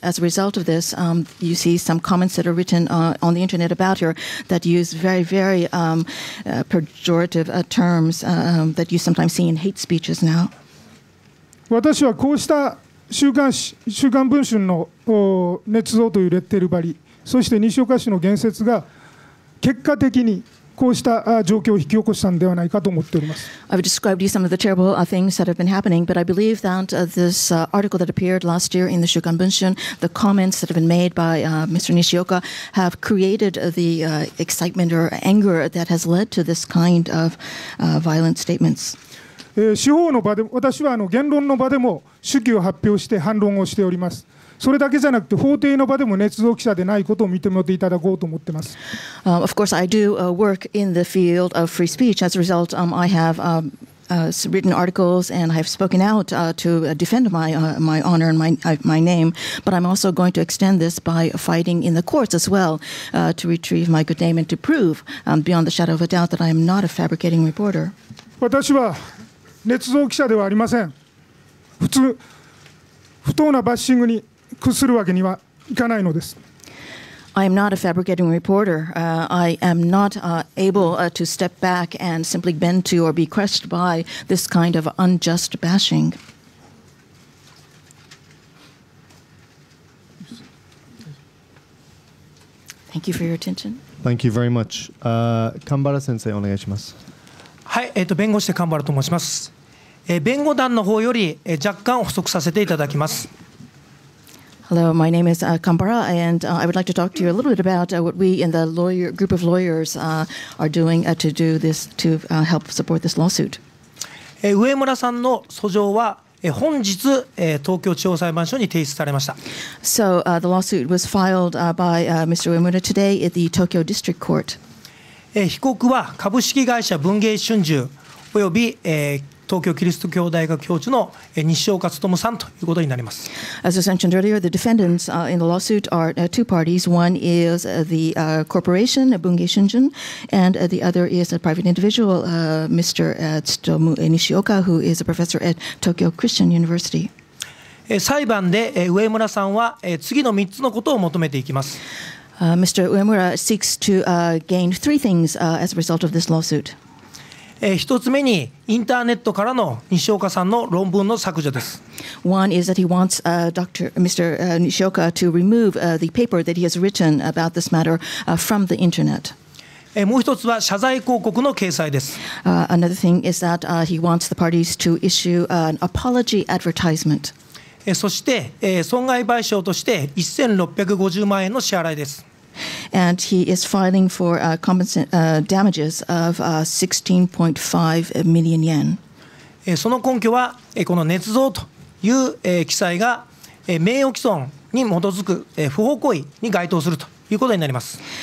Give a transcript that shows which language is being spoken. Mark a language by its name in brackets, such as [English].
[English] As a result of this, you see some comments that are written on the internet about her that use very, very pejorative terms that you sometimes see in hate speeches now. [Japanese] 私はこうした週刊文春の捏造というレッテル貼り、そして西岡氏の言説が結果的にこうした状況を引き起こしたのではないかと思っております。 [English] I've described to you some of the terrible things that have been happening, but I believe that this article that appeared last year in the Shukan Bunshun, the comments that have been made by Mr. Nishioka, have created the excitement or anger that has led to this kind of violent statements. [Japanese] 司法の場で、私は言論の場でも手記を発表して反論をしております。それだけじゃなくて法廷の場でも捏造記者でないことを認めていただこうと思ってます。 [English] Of course, I do work in the field of free speech. As a result, I have written articles and I have spoken out to defend my honor and my name. But I'm also going to extend this by fighting in the courts as well to retrieve my good name and to prove beyond the shadow of a doubt that I am not a fabricating reporter. [Japanese] 私は捏造記者ではありません。不当なバッシングに屈するわけにはいかないのです。 [English] I am not a fabricating reporter. I am not able to step back and simply bend to or be crushed by this kind of unjust bashing. [Japanese] 神原先生お願いします。はい、弁護士で神原と申します。弁護団の方より若干補足させていただきます。 [English] Hello, my name is Kambara, and I would like to talk to you a little bit about what we in the lawyer group of lawyers are doing to do this to help support this lawsuit. [Japanese] 上村さんの訴状は本日東京地方裁判所に提出されました。 [English] So the lawsuit was filed by Mr. Uemura today at the Tokyo District Court. [Japanese] 被告は株式会社文藝春秋および東京キリスト教大学教授の西岡努さんということになります。 [English] As I mentioned earlier, the defendants in the lawsuit are two parties. One is the corporation, Bungei Shunjun, and the other is a private individual, Mr. Tsutomu Nishioka, who is a professor at Tokyo Christian University. [Japanese] 裁判で上村さんは次の3つのことを求めていきます。 [English] Mr. Uemura seeks to gain three things as a result of this lawsuit. [Japanese] 一つ目にインターネットからの西岡さんの論文の削除です。 [English] One is that he wants Mr. Nishioka to remove the paper that he has written about this matter from the internet. [Japanese] もう一つは謝罪広告の掲載です。 [English] Another thing is that he wants the parties to issue an apology advertisement. [Japanese] そして損害賠償として1650万円の支払いです。 [English] And he is filing for damages of 16.5 million yen. [Japanese] その根拠はこの捏造という記載が名誉毀損に基づく不法行為に該当するということになります。